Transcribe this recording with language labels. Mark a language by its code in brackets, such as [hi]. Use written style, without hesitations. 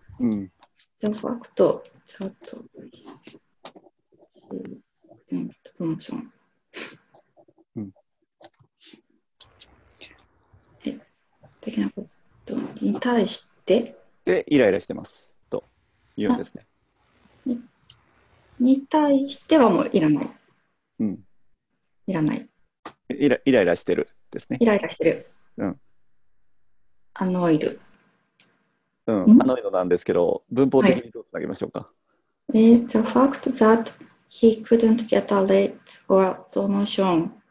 [en] The fact that he couldn't get a promotion. [ja] できなかったに対して。で、イライラしてます。と言うんですね。に対してはもういらない。うん。いらない。イライラしてるですね。イライラしてる。うん。アノイド。うん。アノイドなんですけど、文法的にどうつなげましょうか。はい、 [en] the fact that he couldn't get a raise or a promotion.